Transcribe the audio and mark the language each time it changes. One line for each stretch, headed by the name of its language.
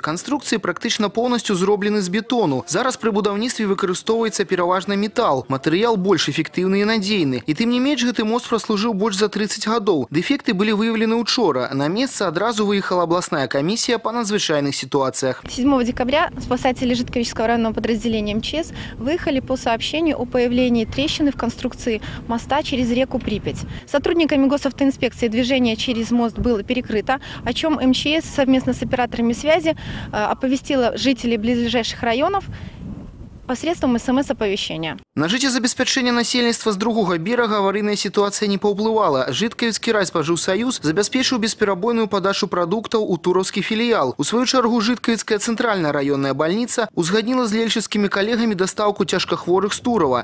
Belarusian: Канструкцыі практычна поўнасцю зроблены з бетону. Зараз пры будаўніцтве выкарыстоўваецца пераважна метал. Матэрыял больш эфектыўны і надзейны. І тым не менш гэты мост праслужыў больш за 30 гадоў. Дэфекты былі выяўлены ўчора. На месца адразу выехала абласная камісія па надзвычайных сітуацыях.
Russian: 7 декабря спасатели Житковического районного подразделения МЧС выехали по сообщению о появлении трещины в конструкции моста через реку Припять. Сотрудниками госавтоинспекции движение через мост было перекрыто, о чем МЧС совместно с операторами связи оповестило жителей близлежащих районов посредством СМС-оповещения.
Belarusian: На жыццезабеспячэнне насельніцтва з другога берага аварыйная сітуацыя не паўплывала. Жыткавіцкі райспажыўсаюз забяспечыў бесперабойную падачу прадуктаў у тураўскі філіял. У сваю чаргу Жыткавіцкая цэнтральная раённая бальніца узгадніла з лельчыцкімі калегамі дастаўку цяжкахворых з Турава.